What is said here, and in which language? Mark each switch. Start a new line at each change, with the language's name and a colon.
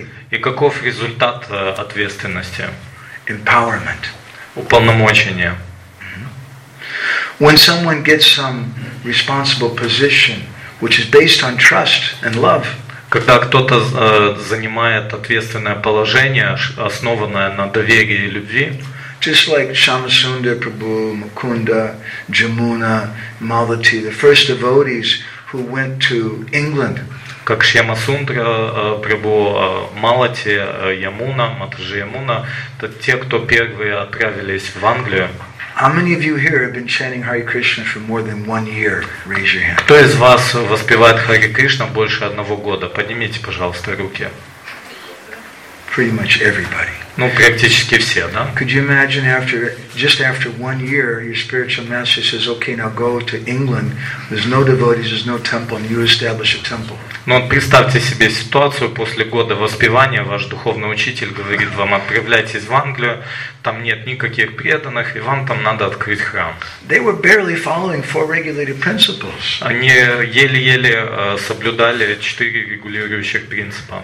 Russian: И каков результат ответственности?
English: Empowerment.
Russian: Уполномочение.
English: When someone gets some responsible position, which is based on trust and love.
Russian: Когда кто-то занимает ответственное положение, основанное на доверии и любви.
English: Just like Shamasunda Prabhu, Mukunda, Jamuna, Malati, the first devotees who went to England.
Russian: Как Шьямасундра Прабху, Малати, Ямуна, Матаджи Ямуна, это те, кто первые отправились в Англию.
English: How many of you here have been chanting Hare Krishna for more than one year? Raise your hand.
Russian: Кто из вас воспевает Хари Кришна больше одного года? Поднимите, пожалуйста, руки.
English: Pretty much everybody.
Russian: Ну, практически все, да?
English: Could you imagine after just after one year, your spiritual master says, "Okay, now go to England. There's no devotees, there's no temple, and you establish a temple."
Russian: Ну, вот представьте себе ситуацию: после года воспевания ваш духовный учитель говорит вам: отправляйтесь в Англию, там нет никаких преданных, и вам там надо открыть храм.
English: They were barely following four regulated principles.
Russian: Они еле-еле соблюдали четыре регулирующих принципа.